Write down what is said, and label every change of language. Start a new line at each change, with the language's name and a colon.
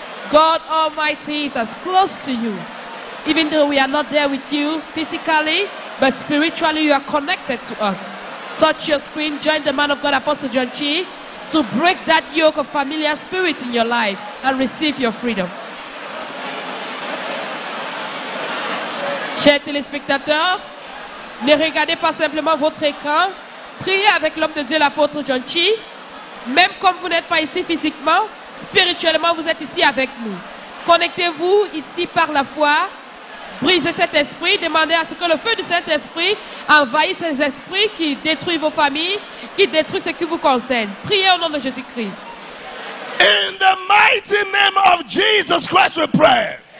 English: God Almighty is as close to you. Even though we are not there with you physically, but spiritually you are connected to us. Touch your screen, join the man of God, Apostle John Chi, to break that yoke of familiar spirit in your life and receive your freedom.
French: Chers téléspectateurs, ne regardez pas simplement votre écran. Priez avec l'homme de Dieu, l'apôtre John Chi. Même comme vous n'êtes pas ici physiquement, spirituellement, vous êtes ici avec nous. Connectez-vous ici par la foi. Brisez cet esprit. Demandez à ce que le feu du Saint-Esprit envahisse ces esprits qui détruisent vos familles, qui détruisent ce qui vous concerne. Priez au nom de Jésus-Christ.
English: In the mighty name of Jesus Christ, we pray.